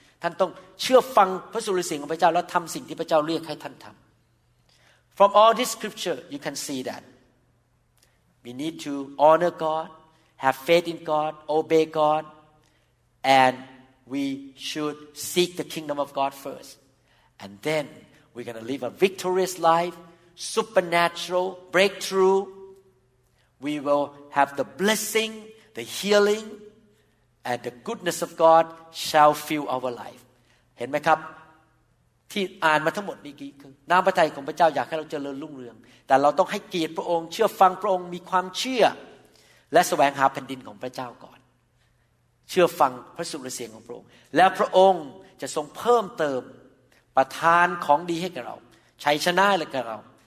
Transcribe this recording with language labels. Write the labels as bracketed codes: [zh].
[th] ท่านต้องเชื่อฟังพระสุรเสียงของพระเจ้าแล้วทำสิ่งที่พระเจ้าเรียกให้ท่านทำ [en] From all this scripture, you can see that we need to honor God, have faith in God, obey God, and we should seek the kingdom of God first. And then we're going to live a victorious life, supernatural breakthrough. We will have the blessing, the healing, and the goodness of God shall fill our life. [th] เห็นไหมครับที่อ่านมาทั้งหมดนี้คือน้ำพระทัยของพระเจ้าอยากให้เราเจริญรุ่งเรืองแต่เราต้องให้เกียรติพระองค์เชื่อฟังพระองค์มีความเชื่อและแสวงหาแผ่นดินของพระเจ้าก่อนเชื่อฟังพระสุรเสียงของพระองค์และพระองค์จะทรงเพิ่มเติมประทานของดีให้กับเราชัยชนะให้กับเรา